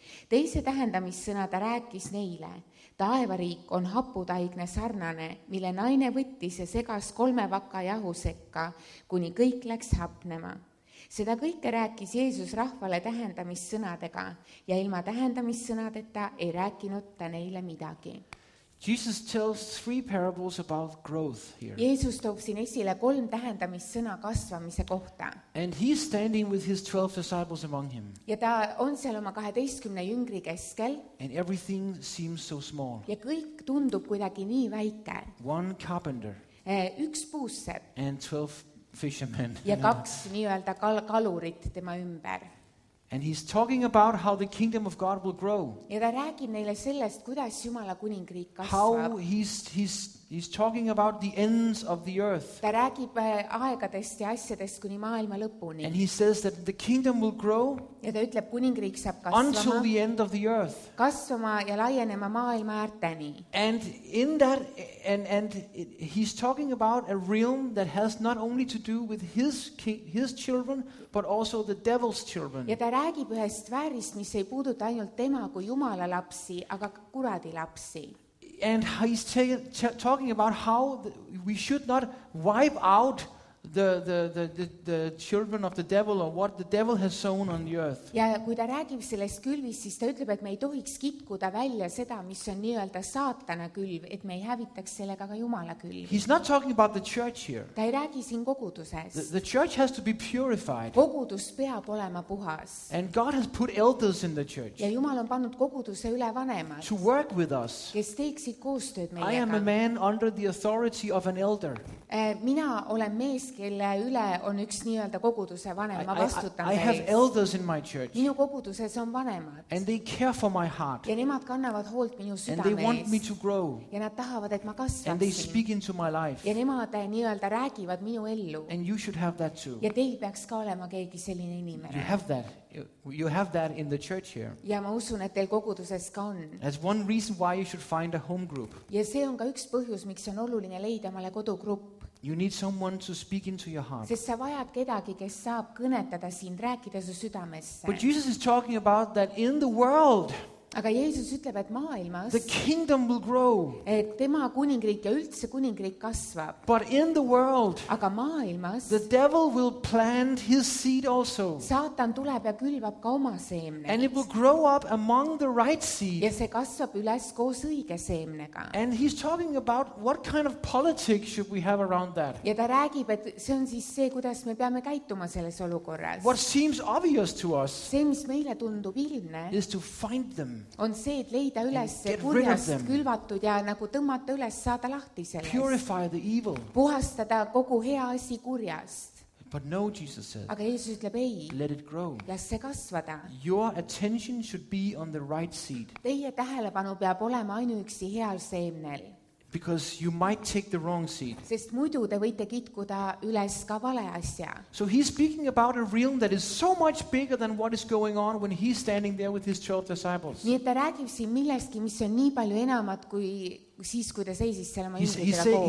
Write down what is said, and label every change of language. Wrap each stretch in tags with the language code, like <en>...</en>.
<et>Teise tähendamissõna ta rääkis neile, taevariik on haputaigne sarnane, mille naine võttis ja segas kolme vaka jahusekka, kuni kõik läks hapnema. Seda kõike rääkis Jeesus rahvale tähendamissõnadega ja ilma tähendamissõnadeta ei rääkinud ta neile midagi.</et> <en>Jesus tells three parables about growth here.</en> <et>Jeesus toob siin esile kolm tähendamissõna kasvamise kohta.</et> <en>And he's standing with his 12 disciples among him.</en> <et>Ja ta on seal oma 12 jüngri keskel.</et> <en>And everything seems so small.</en> <et>Ja kõik tundub kuidagi nii väike.</et> <en>One carpenter.</en> <et>Üks puusepp.</et> <en>And 12 fishermen.</en> <et>Ja kaks nii-öelda kalurit tema ümber.</et> <en>And he's talking about how the kingdom of God will grow.</en> <et>Ja ta räägib neile sellest, kuidas Jumala kuningriik kasvab.</et> <en>How he's talking about the ends of the earth.</en> <et>Ta räägib aegadest ja asjadest kuni maailma lõpuni.</et> <en>And he says that the kingdom will grow.</en> <et>Ja ta ütleb, kuningriik saab kasvama.</et> <en>Until the end of the earth.</en> <et>Kasvama ja laienema maailma äärteni.</et> <en>And in that and he's talking about a realm that has not only to do with his children but also the devil's children.</en> <et>Ja ta räägib ühest väärist, mis ei puuduta ainult tema kui Jumala lapsi, aga kuradi lapsi.</et> <en>And he's talking about how we should not wipe out the children of the devil or what the devil has sown on the earth.</en> <et>Ja kui ta räägib sellest külvist, siis ta ütleb, et me ei tohiks kipkuda välja seda, mis on nii-öelda saatana külv, et me ei hävitaks sellega ka Jumala külv.</et> <en>He's not talking about the church here.</en> <et>Ta ei räägi siin koguduses.</et> <en>The church has to be purified.</en> <et>Kogudus peab olema puhas.</et> <en>And God has put elders in the church.</en> <et>Ja Jumal on pannud koguduse üle vanemad.</et> <en>To work with us.</en> <et>Kes teeksid koostööd meiega.</et> <en>I am a man under the authority of an elder.</en> <et>Mina olen mees, kelle üle on üks nii-öelda koguduse vanem, ma vastutan</et> <en>I have elders in my church.</en> <et>Minu koguduses on vanemad.</et> <en>And they care for my heart.</en> <et>Ja nemad kannavad hoolt minu südame</et> <en>And they want me to grow.</en> <et>Ja nad tahavad, et ma kasvaksin.</et> <en>And they speak into my life.</en> <et>Ja nemad nii-öelda räägivad minu ellu.</et> <en>And you should have that too.</en> <et>Ja teil peaks ka olema keegi selline inimene.</et> <en>You have that in the church here.</en> <et>Ja ma usun, et teil koguduses ka on.</et> <en>That's one reason why you should find a home group.</en> <et>Ja see on ka üks põhjus, miks on oluline leida omale kodugrupp.</et> <en>You need someone to speak into your heart.</en> <et>Sest sa vajad kedagi, kes saab kõnetada sind, rääkida su südamesse.</et> <en>But Jesus is talking about that in the world.</en> <et>Aga Jeesus ütleb, et maailmas</et> <en>the kingdom will grow.</en> <et>Et tema kuningriik ja üldse kuningriik kasvab.</et> <en>But in the world</en> <et>aga maailmas</et> <en>the devil will plant his seed also.</en> <et>Saatan tuleb ja külvab ka oma seemne.</et> <en>And it will grow up among the right seed.</en> <et>Ja see kasvab üles koos õige seemnega.</et> <en>And he's talking about what kind of politics should we have around that.</en> <et>Ja ta räägib, et see on siis see, kuidas me peame käituma selles olukorras.</et> <en>What seems obvious to us</en> <et>see, mis meile tundub ilmne</et> <en>is to find them</en> <et>on see, et leida üles kurjast külvatud ja nagu tõmmata üles saada lahti sellest.</et> <en>Purify the evil.</en> <et>Puhastada kogu hea asi kurjast.</et> <en>But no, Jesus said.</en> <et>Aga Jeesus ütleb ei.</et> <en>Let it grow.</en> <et>Las see kasvada.</et> <en>Your attention should be on the right seed.</en> <et>Teie tähelepanu peab olema ainuüksi heal seemnel.</et> <en>Because you might take the wrong seed.</en> <et>Sest muidu te võite kitkuda üles ka vale asja.</et> <en>So he's speaking about a realm that is so much bigger than what is going on when he's standing there with his 12 disciples.</en> <et>Nii et ta räägib siin millestki, mis on nii palju enamat kui siis, kui ta seisis seal oma jüngritega koos.</et>